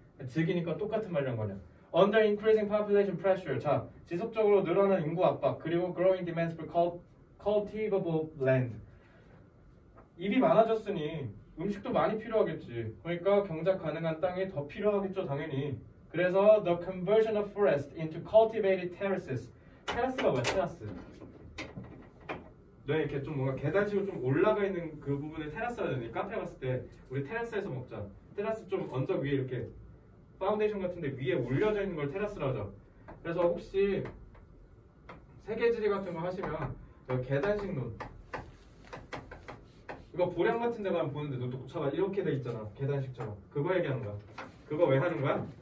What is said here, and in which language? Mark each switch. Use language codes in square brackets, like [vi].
[ko] 즉이니까 똑같은 말이란 거냐. [en] Under increasing population pressure. [ko] 자, 지속적으로 늘어난 인구 압박. 그리고 [en] growing demands for cultivable land. [ko] 입이 많아졌으니 음식도 많이 필요하겠지. 그러니까 경작 가능한 땅이 더 필요하겠죠, 당연히. 그래서 [en] the conversion of forest into cultivated terraces. [ko] 테라스가 뭐야, 테라스? 네, 이렇게 좀 뭔가 계단식으로 좀 올라가 있는 그 부분에 테라스가 되니 카페 갔을 때 우리 테라스에서 먹자. 테라스 좀 언덕 위에 이렇게 파운데이션 같은데 위에 올려져 있는 걸 테라스라 하죠. 그래서 혹시 세계지리 같은 거 하시면 여기 계단식 논 이거 보량 같은 데 가면 보는데 너 녹차가 이렇게 돼 있잖아. 계단식처럼. 그거 얘기하는 거야. 그거 왜 하는 거야?